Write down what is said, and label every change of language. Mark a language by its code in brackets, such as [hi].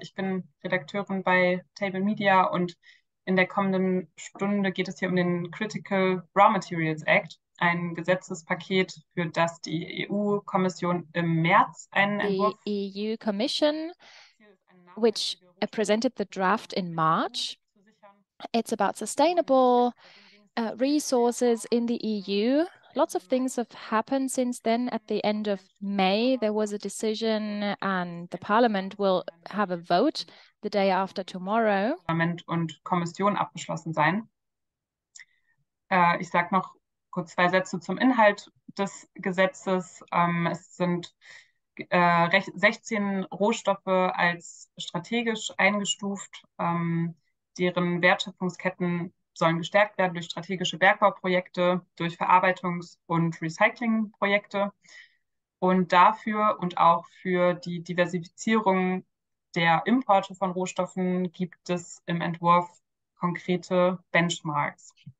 [de] Ich bin Redakteurin bei Table Media und in der kommenden Stunde geht es hier um den Critical Raw Materials Act, ein Gesetzespaket, für das die EU-Kommission im März einen Entwurf. [en] The EU-Commission, which presented the draft in March. It's about sustainable resources in the EU. Lots of things have happened since then. At the end of May, there was a decision, and the Parliament will have a vote the day after tomorrow. [de] Parlament und Kommission abgeschlossen sein. Ich sage noch kurz zwei Sätze zum Inhalt des Gesetzes. Es sind 16 Rohstoffe als strategisch eingestuft, deren Wertschöpfungsketten sollen gestärkt werden durch strategische Bergbauprojekte, durch Verarbeitungs- und Recyclingprojekte und dafür und auch für die Diversifizierung der Importe von Rohstoffen gibt es im Entwurf konkrete Benchmarks.